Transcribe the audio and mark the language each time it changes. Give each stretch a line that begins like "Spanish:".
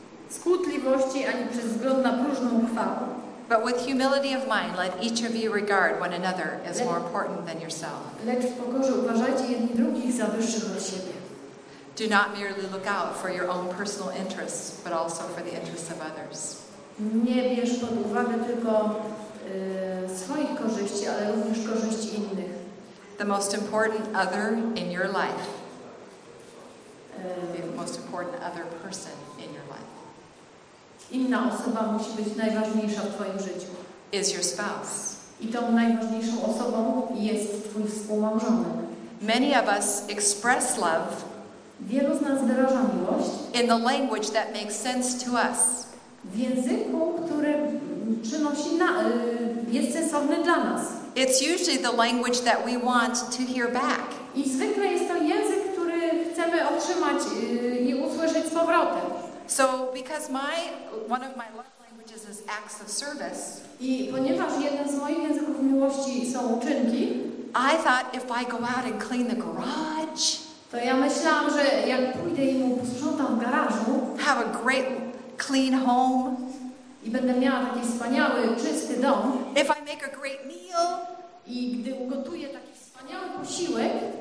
Polish: Skutliwości ani przez wzgląd na próżną chwałę.
English: But with humility of mind, let each of you regard one another as more important than yourself.
Polish: Lecz w pokorze uważajcie jedni drugich za wyższych od siebie.
English: Do not merely look out for your own personal interests, but also for the interests of others.
Polish: Nie bierz pod uwagę tylko swoich korzyści, ale również korzyści innych.
English: The most important other in your life. The most important other person in your life.
Polish: Inna osoba musi być najważniejsza w twoim życiu.
English: Is your spouse.
Polish: I tą najważniejszą osobą jest twój współmałżonek.
English: Many of us express love.
Polish: Wielu z nas wyraża miłość.
English: In the language that makes sense to us.
Polish: W języku, który przynosi jest sensowny dla nas.
English: It's usually the language that we want to hear back.
Polish: I zwykle jest to język, który chcemy otrzymać i usłyszeć z powrotem.
English: So, because one of my love languages is acts of service.
Polish: I ponieważ jeden z moich języków miłości są uczynki.
English: I thought if I go out and clean the garage.
Polish: To ja myślałam, że jak pójdę i mu posprzątam w garażu,
English: have a great clean home,
Polish: i będę miała taki wspaniały, czysty dom,
English: if I make a great meal,
Polish: i gdy ugotuję taki wspaniały posiłek,